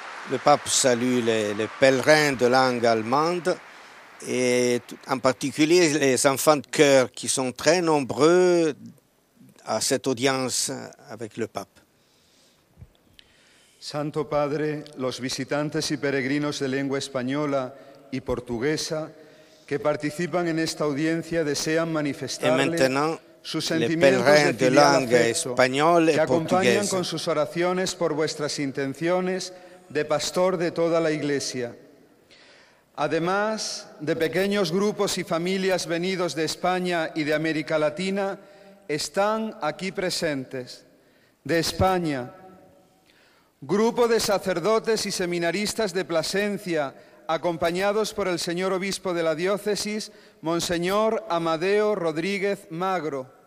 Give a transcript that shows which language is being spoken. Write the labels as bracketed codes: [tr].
[fr] Le pape salue les pèlerins de langue allemande et en particulier les enfants de cœur qui sont très nombreux à cette audience avec le pape. [es] Santo Padre, los visitantes y peregrinos de lengua española y portuguesa que participan en esta audiencia desean manifestarle [fr] Les pèlerins de langue espagnole et portugaise qui accompagnent avec vos orations pour vos intentions de pasteur de toute la Iglesia. [es] Además de pequeños grupos y familias venidos de España y de América Latina, están aquí presentes. De España, grupo de sacerdotes y seminaristas de Plasencia, acompañados por el señor obispo de la diócesis, Monseñor Amadeo Rodríguez Magro.